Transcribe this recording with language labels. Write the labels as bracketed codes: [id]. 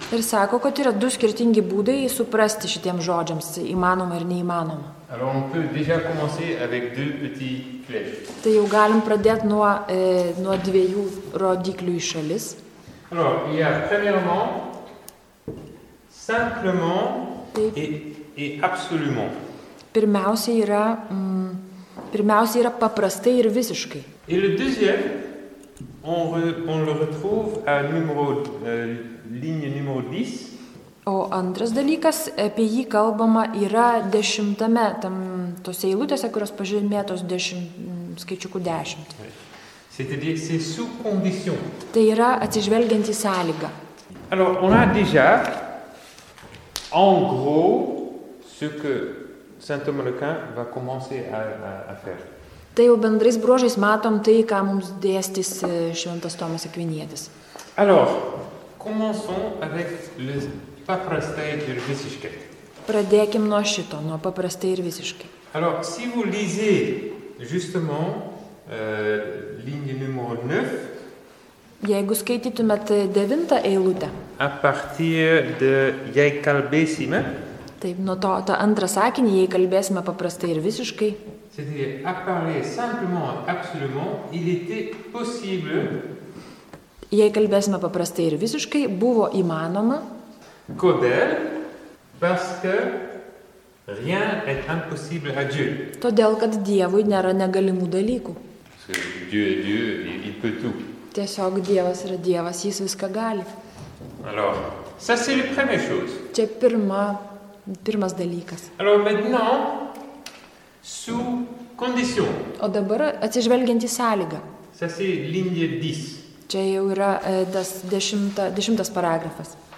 [lt] Ir sako, kad yra du skirtingi būdai suprasti šitiems žodžiams įmanoma ir neįmanoma. [fr] Alors on peut déjà commencer avec deux petits flèches. [lt] Tai jau galim pradėti nuo dviejų rodiklių šalis. [fr] Alors, il y a premièrement simplement et absolument. [lt] Pirmiausia yra paprastai ir visiškai. [fr] Et le deuxième, on le retrouve à numéro, ligne numéro 10. [lt] O antras dalykas, apie jį kalbama, yra dešimtame, tose eilutėse, kurios pažymėtos skaičiukų dešimt. [fr] C'est-à-dire c'est sous condition. [lt] Tai yra atsižvelgiant į sąlygą. [fr] Alors, on a déjà en gros ce que Saint Thomas d'Aquin va commencer à faire. [lt] Tai jau bendrais bruožais matom tai, ką mums dėstys Šventas Tomas Akvinietis. [fr] Alors, commençons avec le [lt] paprastai ir visiškai. Pradėkim nuo šito, nuo paprastai ir visiškai. [fr] Alors, si vous lisez justement ligne numéro 9. [lt] Jeigu skaitytumėt 9 eilutę. [fr] À partir de [lt] jei kalbėsime. Taip, nuo to, to antrą sakinį, jei kalbėsime paprastai ir visiškai. [fr] C'est-à-dire, à parler simplement, absolument, il était possible. [lt] Jei kalbėsime paprastai ir visiškai, buvo įmanoma. Kodėl? [fr] Parce que rien est impossible à Dieu. [lt] Todėl, kad Dievui nėra negalimų dalykų. [fr] Dieu est Dieu, il peut tout. [lt] Tiesiog Dievas yra Dievas, jis viską gali. [fr] Alors, ça c'est la première chose. [lt] Čia pirma, pirmas dalykas. [fr] Alors maintenant, sous condition. [lt] O dabar atsižvelgiant į sąlygą. [fr] Ça c'est ligne 10. [lt] Čia jau yra tas dešimtas paragrafas.